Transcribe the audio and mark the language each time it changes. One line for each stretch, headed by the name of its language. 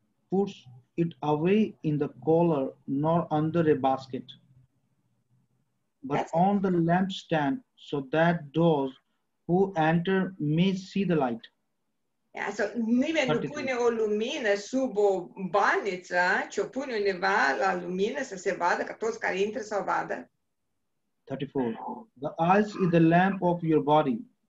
English: Puts it away in the collar, nor under a basket, but on the lampstand, so that those Who enter may see the light.
Romanian: Yeah, so nimeni nu pune o lumină sub o baniță, ci o pune undeva la lumină să se vadă, ca toți care intră să o vadă. 34.
English: The eyes is the lamp of your body.